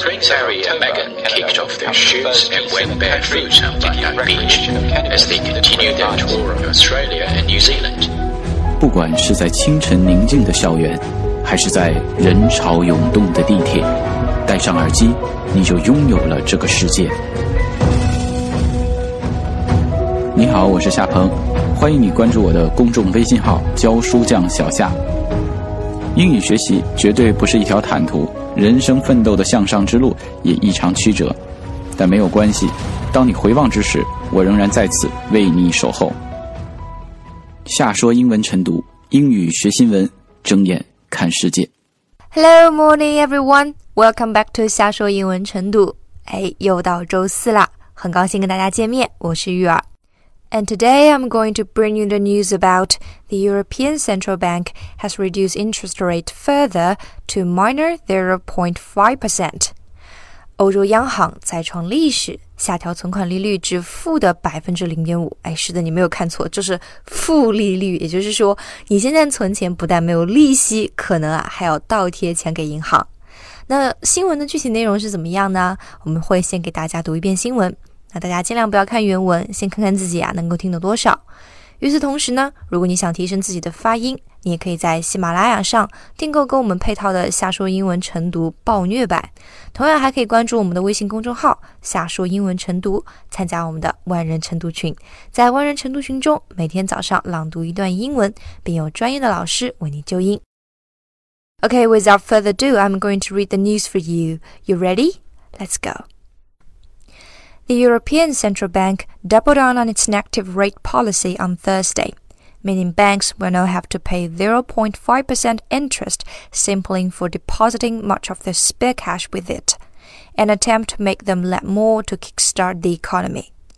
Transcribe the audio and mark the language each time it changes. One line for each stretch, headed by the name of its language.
English: Prince Harry and Meghan kicked off their shoes and went barefoot on Bundang Beach as they continued their tour of Australia and New Zealand.
Chinese: 不管是在清晨宁静的校园，还是在人潮涌动的地铁，戴上耳机，你就拥有了这个世界。你好，我是夏鹏，欢迎你关注我的公众微信号教书匠小夏。英语学习绝对不是一条坦途，人生奋斗的向上之路也异常曲折，但没有关系，当你回望之时，我仍然在此为你守候。夏说英文晨读，英语学新闻，睁眼看世界。
English: Hello morning everyone, welcome back to 夏说英文晨读。
Chinese: 哎，又到周四了，很高兴跟大家见面，我是玉儿。
English: And today I'm going to bring you the news about the European Central Bank has reduced interest rate further to minor 0.5%.
Chinese: 欧洲央行再创历史，下调存款利率至负的 0.5%。哎，是的，你没有看错，就是负利率，也就是说你现在存钱不但没有利息，可能还要倒贴钱给银行。那新闻的具体内容是怎么样呢？我们会先给大家读一遍新闻，那大家尽量不要看原文，先看看自己啊能够听得多少。与此同时呢，如果你想提升自己的发音，你也可以在喜马拉雅上订购跟我们配套的夏说英文晨读暴虐版，同样还可以关注我们的微信公众号夏说英文晨读，参加我们的万人晨读群。在万人晨读群中，每天早上朗读一段英文，并有专业的老师为你纠音。
English: OK, without further ado, I'm going to read the news for you. You ready? Let's go. The European Central Bank doubled down on its negative rate policy on Thursday, meaning banks will now have to pay 0.5% interest simply for depositing much of their spare cash with it, an attempt to make them lend more to kickstart the economy.